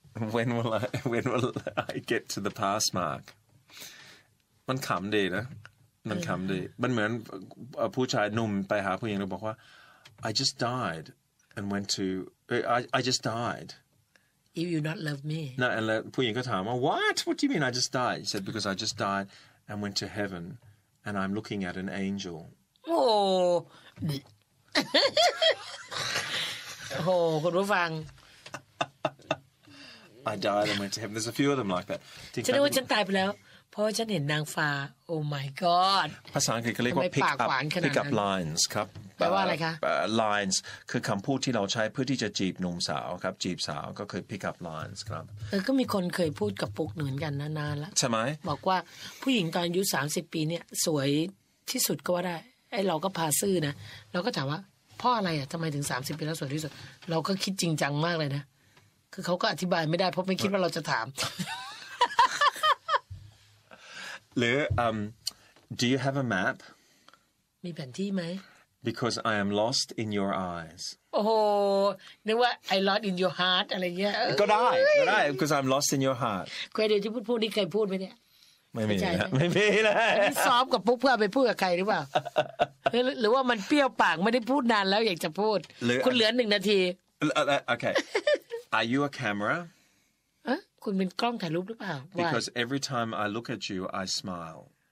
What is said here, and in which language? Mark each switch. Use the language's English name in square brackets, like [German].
[English] when will I get to the pass mark [Thai] มันขำดีนะมันคำดีมันเหมือนผู้ชายหนุ่มไปหาผู้หญิงแล้วบอกว่า [English] I just died and went to I just died if you not love me no and [Thai] ผู้หญิงก็ถามว่า [English] what do you mean I just died he said because I just died and went to heaven and I'm looking at an angel [Thai] โอ้โหคุณผู้ฟัง [English] I died and went to heaven there's a few of them like that [Thai] ฉันรู้ว่าฉันตายไปแล้วเพราะฉันเห็นนางฟ้าโอ้ [English] my god [Thai] ภาษาอังกฤษเขาเรียกว่า pick up lines ครับ แปลว่าอะไรคะ lines คือคำพูดที่เราใช้เพื่อที่จะจีบหนุ่มสาวครับจีบสาวก็คือ pick up lines ครับ ก็มีคนเคยพูดกับปุ๊กเหมือนกันนานๆแล้ว ใช่ไหม บอกว่าผู้หญิงตอนอายุ30ปีเนี่ยสวยที่สุดก็ว่าได้ไอเราก็พาซื่อนะเราก็ถามว่าเพราะอะไรอ่ะทำไมถึง30ปีแล้วสวยที่สุดเราก็คิดจริงจังมากเลยนะคือเขาก็อธิบายไม่ได้เพราะไม่คิดว่าเราจะถาม [English] หรือ do you have a map [Thai] มีแผนที่ไหม [English] because I am lost in your eyes [Thai] โอ้โหนึกว่า [English] I lost in your heart [Thai] อะไรเงี้ย ก็ได้ [English] because I'm lost in your heart [Thai] เคยเดี๋ยวที่พูดนี่เคยพูดไหมเนี่ย ไม่มีนะไม่มีนะ ซ้อมกับปุ๊บเพื่อไปพูดกับใครหรือเปล่าหรือว่ามันเปรี้ยวปากไม่ได้พูดนานแล้วอยากจะพูดคุณเหลือหนึ่งนาที โอเค [English] are you a camera [Thai] คุณเป็นกล้องถ่ายรูปหรือเปล่า [English] Because every time I look at you I smile